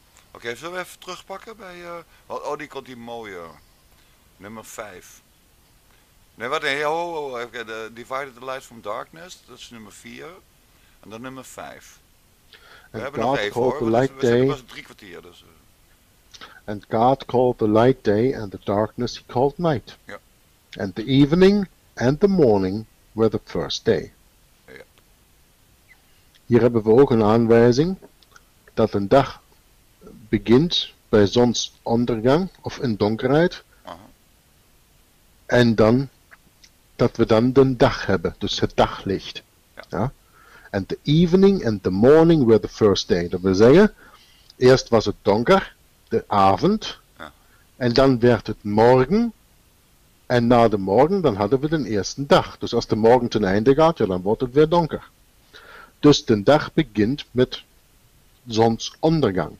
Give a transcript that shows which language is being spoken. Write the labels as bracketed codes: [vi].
[nl] Oké, zullen we even terugpakken bij... die komt die mooie. Nummer 5. Nee, wat? Nee, [en] Divided the light from darkness. [nl] Dat is nummer 4. En dan nummer 5. We hebben nog even hoor, want we zitten pas drie kwartier. Dus. [en] And God called the light day, and the darkness he called night. [nl] Ja. [en] And the evening and the morning were the first day. [nl] Ja. Hier hebben we ook een aanwijzing dat een dag begint bij zonsondergang of in donkerheid. Aha. En dan dat we dan de dag hebben, dus het daglicht. Ja. Ja? [en] And the evening and the morning were the first day. [nl] Dat wil zeggen, eerst was het donker, de avond, ja. En dan werd het morgen, en na de morgen, dan hadden we de eerste dag. Dus als de morgen ten einde gaat, ja, dan wordt het weer donker. Dus de dag begint met zonsondergang.